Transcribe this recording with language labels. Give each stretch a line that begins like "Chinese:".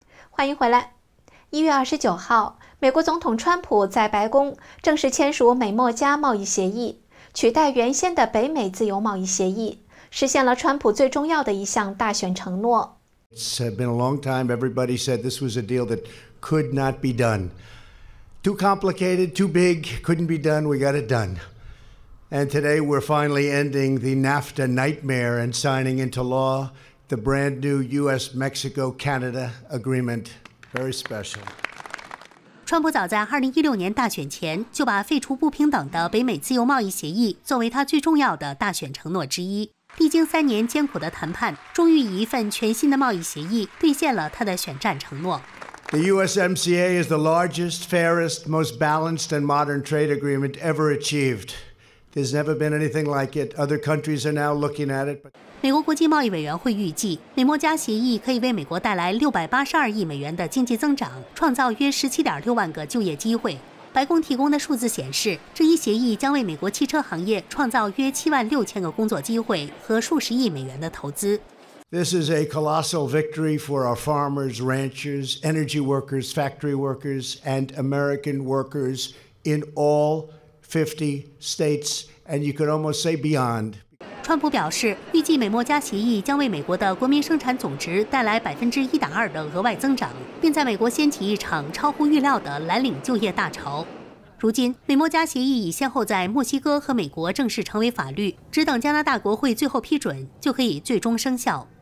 Chinese: 欢迎回来。1月29号，美国总统川普在白宫正式签署美墨加贸易协议，取代原先的北美自由贸易协议，实现了川普最重要的一项大选承诺。
English: It's been a long time. Everybody said this was a deal that could not be done. Too complicated, too big, couldn't be done. We got it done. And today we're finally ending the NAFTA nightmare and signing into law. The brand new U.S.-Mexico-Canada agreement, very special.
Chinese: 川普早在2016年大选前就把废除不平等的北美自由贸易协议作为他最重要的大选承诺之一。历经3年艰苦的谈判，终于以一份全新的贸易协议兑现了他的选战承诺。
English: The USMCA is the largest, fairest, most balanced, and modern trade agreement ever achieved. There's never been anything like it. Other countries are now looking at it.
Chinese: 美国国际贸易委员会预计，美墨加协议可以为美国带来682亿美元的经济增长，创造约17.6万个就业机会。白宫提供的数字显示，这一协议将为美国汽车行业创造约76000个工作机会和数十亿美元的投资。
English: This is a colossal victory for our farmers, ranchers, energy workers, factory workers, and American workers in all 50 states, and you could almost say beyond.
Chinese: 川普表示，预计美墨加协议将为美国的国民生产总值带来1.2%的额外增长，并在美国掀起一场超乎预料的蓝领就业大潮。如今，美墨加协议已先后在墨西哥和美国正式成为法律，只等加拿大国会最后批准，就可以最终生效。